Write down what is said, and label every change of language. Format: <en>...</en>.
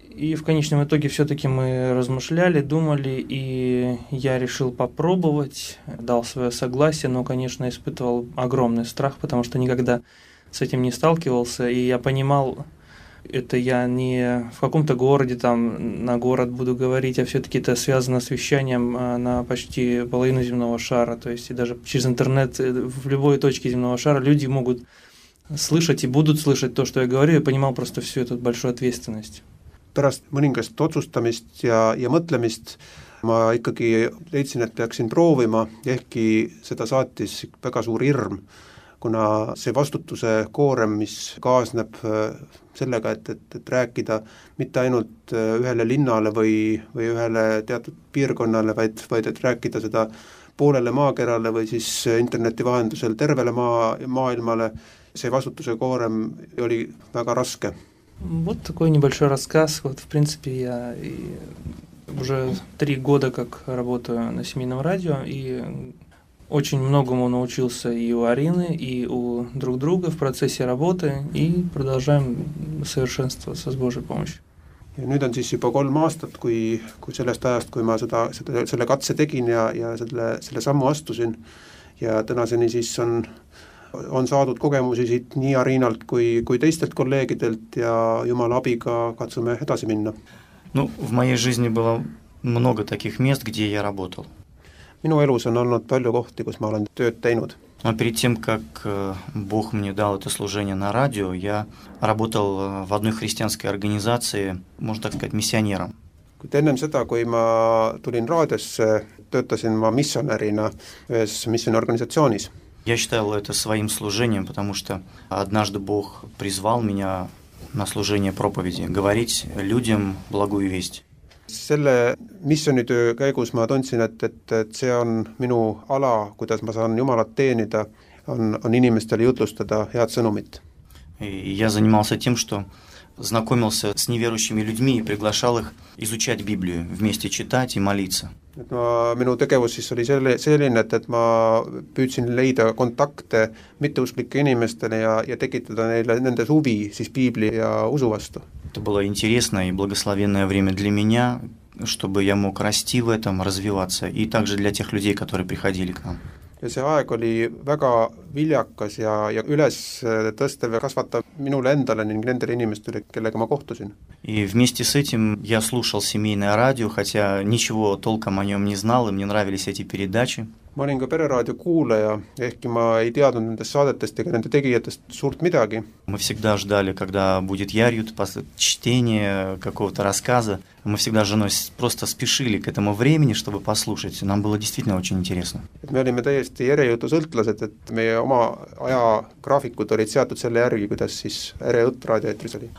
<ru>И в конечном итоге все-таки мы размышляли, думали, и я решил попробовать, дал свое согласие, но, конечно, испытывал огромный страх, потому что никогда с этим не сталкивался, и я понимал, это я не в каком-то городе, там, на город буду говорить, а все-таки это связано с вещанием на почти половину земного шара, то есть и даже через интернет в любой точке земного шара люди могут слышать и будут слышать то, что я говорю, я понимал просто всю эту большую ответственность.</ru> <et>Pärast mõningast otsustamist ja mõtlemist ma ikkagi leidsin, et peaksin proovima, ehkki seda saatis väga suur hirm, kuna see vastutuse koorem, mis kaasneb sellega, et rääkida mitte ainult ühele linnale või ühele teatud piirkonnale, vaid et rääkida seda poolele maakerale või siis interneti vahendusel tervele maailmale, see vastutuse koorem oli väga raske.</et> <ru>Вот такой небольшой рассказ. Вот, в принципе, я уже 3 года как работаю на семейном радио, и очень многому научился и у Арины, и у друг друга в процессе работы, и продолжаем совершенствоваться с Божьей помощью.</ru> <et>Ja nüüd on siis juba 3 aastat, kui sellest ajast, kui ma selle katse tegin ja selle sammu astusin, ja tänaseni siis on saadud kogemusi siit nii Arinalt kui teistelt kolleegidelt ja Jumala abiga katsume edasi minna.</et> <ru>No, v mojej žizni bylo mnogo takih mest, kde ja работал.</ru> <et>Minu elus on olnud palju kohti, kus ma olen tööd teinud.</et> <ru>No, перед тем, как Бог мне дал это служение на радио, я работал в одной христианской организации, можно так сказать, миссионером.</ru> <et>Kui ennem seda, kui ma tulin raadiosse, töötasin ma missionärina ühes missionorganisatsioonis.</et> <ru>Я считал это своим служением, потому что однажды Бог призвал меня на служение проповеди, говорить людям благую весть.</ru> <et>Selle missionitöö käigus ma tundsin, et see on minu ala, kuidas ma saan Jumalat teenida, on inimestele jutlustada head sõnumit.</et> <ru>Я занимался тем, что знакомился с неверующими людьми и приглашал их изучать Библию, вместе читать и молиться.</ru> <et>Ma, minu tegevus siis oli selline, et ma püüdsin leida kontakte mitteusklike inimestele ja tekitada neile nende huvi siis Biibli ja usu vastu.</et> <ru>Это было интересное и благословенное время для меня, чтобы я мог расти в этом, развиваться, и также для тех людей, которые приходили к нам.</ru> <et>Ja see aeg oli väga viljakas ja üles tõstev ja kasvatav minule endale ning nendele inimestele, kellega ma kohtusin.</et> <ru>И вместе с этим я слушал семейное радио, хотя ничего толком о нем не знал, и мне нравились эти передачи.</ru> <et>Ma olin ka pereraadio kuulaja, ehkki ma ei teadnud nendest saadetest ega nende tegijatest suurt midagi.</et> <ru>Мы всегда ждали, когда будет ярют, чтение какого-то рассказа. Мы всегда с женой просто спешили к этому времени, чтобы послушать. Нам было действительно очень интересно.</ru> <et>Me olime täiesti järjejutu sõltlased, et meie oma aja graafikud olid seatud selle järgi, kuidas siis järjejut raadioetris oli.</et>